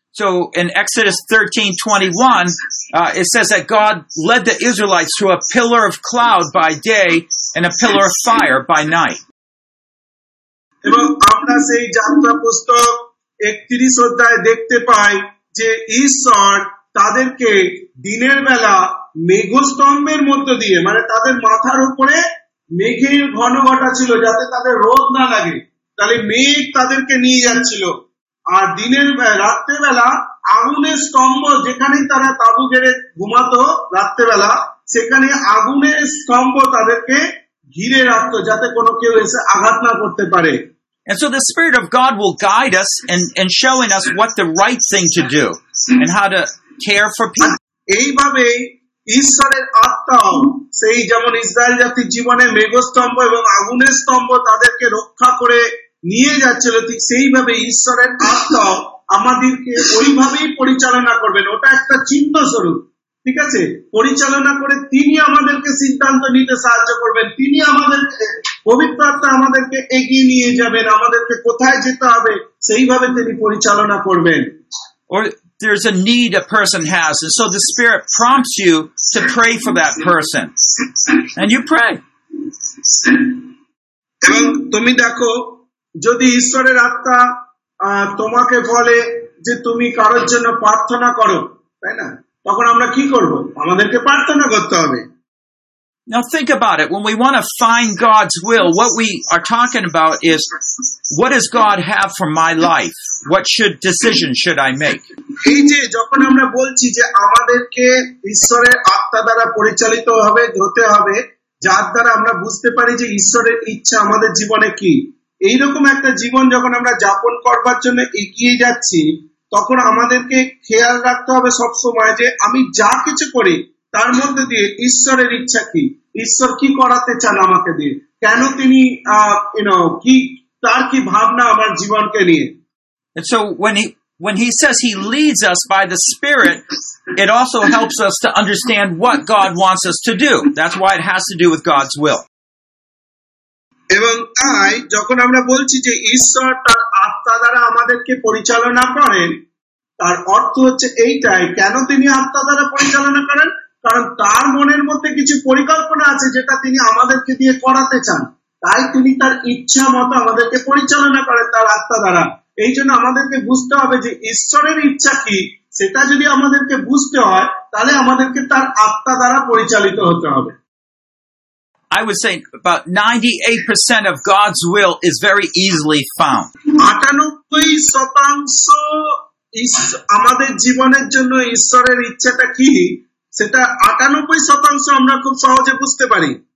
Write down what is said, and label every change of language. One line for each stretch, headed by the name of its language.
English: So in Exodus 13:21, it says that God led the Israelites through a pillar of cloud by day and a pillar of fire by night.
Bangla: এবং আমরা সেই যাত্রা পুস্তক 31 অধ্যায় দেখতে পাই যে ঈশ্বর তাদেরকে দিনের বেলা মেঘস্তম্ভের মধ্যে দিয়ে মানে তাদের মাথার উপরে মেঘের ঘন ঘটা ছিল যাতে তাদের রোদ না লাগে, তাহলে মেঘ তাদেরকে নিয়ে যাচ্ছিল আর দিনের রাত্রে বেলা আগুনের স্তম্ভ যেখানে তারা তাবু গেড়ে ঘুমাতো রাত্রেবেলা, সেখানে আগুনের স্তম্ভ তাদেরকে ঘিরে রাখতো যাতে কোনো কেউ এসে আঘাত না করতে পারে।
English: And so the Spirit of God will guide us and showing us what the right thing to do and how to care for people.
Bangla: এইভাবে ঈশ্বরের আত্মাও সেই যেমন ইসরায়েল জাতির জীবনে মেঘস্তম্ভ এবং আগুনের স্তম্ভ তাদেরকে রক্ষা করে নিয়ে যাচ্ছিল, ঠিক সেইভাবে ঈশ্বরের আত্মাও আমাদেরকে ওইভাবেই পরিচালনা করবেন। ওটা একটা চিহ্নস্বরূপ, ঠিক আছে, পরিচালনা করে তিনি আমাদেরকে সিদ্ধান্ত নিতে সাহায্য করবেন, তিনি আমাদেরকে পবিত্র আত্মা আমাদেরকে এগিয়ে নিয়ে যাবেন, আমাদেরকে কোথায় যেতে হবে সেইভাবে তিনি পরিচালনা করবেন।
English: There's a need a person has, and so the Spirit prompts you to pray for that person. And you pray.
Bangla: এবং তুমি দেখো যদি ঈশ্বরের আত্মা তোমাকে বলে যে তুমি কারোর জন্য প্রার্থনা করো, তাই না, তখন আমরা কি করব? আমাদেরকে প্রার্থনা করতে হবে।
English: Now think about it. When we want to find God's will, what we are talking about is, what does God have for my life? What should decision should I make?
Bangla: যখন আমরা বলছি যে আমাদেরকে ঈশ্বরের আত্মা দ্বারা পরিচালিত হবে, হতে হবে, যার দ্বারা আমরা বুঝতে পারি যে ঈশ্বরের ইচ্ছা আমাদের জীবনে কি, এইরকম একটা জীবন যখন আমরা যাপন করবার জন্য এগিয়ে যাচ্ছি, তখন আমাদেরকে খেয়াল রাখতে হবে সবসময় যে আমি যা কিছু করি তার মধ্যে দিয়ে ঈশ্বরের ইচ্ছা কি, ঈশ্বর কি করাতে চান আমাকে দিয়ে, কেন তিনি কি তার কি ভাবনা আমার জীবনকে নিয়ে।
English: So when he says he leads us by the Spirit, it also helps us to understand what God wants us to do. That's why it has to do with God's will.
Bangla: এবং তাই যখন আমরা বলছি যে ঈশ্বর তার আত্মা দ্বারা আমাদেরকে পরিচালনা করেন, তার অর্থ হচ্ছে এইটাই, কেন তিনি আত্মা দ্বারা পরিচালনা করেন, কারণ তার মনের মধ্যে কিছু পরিকল্পনা আছে যেটা তিনি আমাদেরকে দিয়ে করাতে চান, তাই তিনি তার ইচ্ছা মতো আমাদেরকে পরিচালনা করেন তার আত্মা দ্বারা। এই জন্য আমাদেরকে বুঝতে হবে যে ঈশ্বরের ইচ্ছা কি, সেটা যদি আমাদেরকে বুঝতে হয় তাহলে আমাদেরকে তার আত্মা দ্বারা পরিচালিত হতে হবে।
English: I would say about 98% of God's will is very easily found.
Bangla: 98% আমাদের জীবনের জন্য ঈশ্বরের ইচ্ছাটা কি, সেটা 98% আমরা খুব সহজে বুঝতে পারি।